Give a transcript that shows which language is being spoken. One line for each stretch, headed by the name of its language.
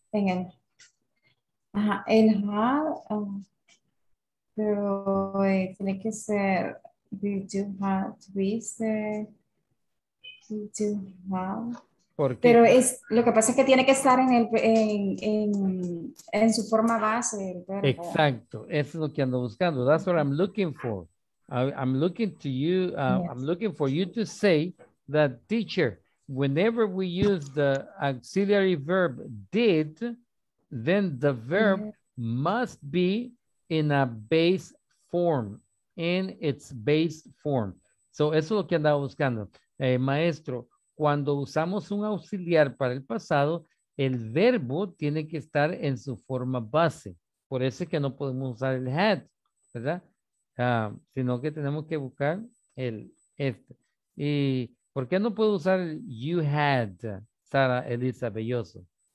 Spanish: En el. Ajá, el had, pero tiene que ser, did you have, tuviste, did you have. ¿Por qué? Pero es, lo que pasa es que tiene que estar en el, en su forma base, el verbo. Exacto, eso es lo que ando buscando, that's what I'm looking for.
English: I'm looking to you, yes. I'm looking for you to say that, teacher, whenever we use the auxiliary verb did, then the verb must be in a base form, in its base form.
Spanish: So eso es lo que andaba buscando. Maestro, cuando usamos un auxiliar para el pasado, el verbo tiene que estar en su forma base. Por eso es que no podemos usar el had, ¿verdad? Sino que tenemos que buscar el este. ¿Y por qué no puedo usar el you had, Sara Elisa Belloso?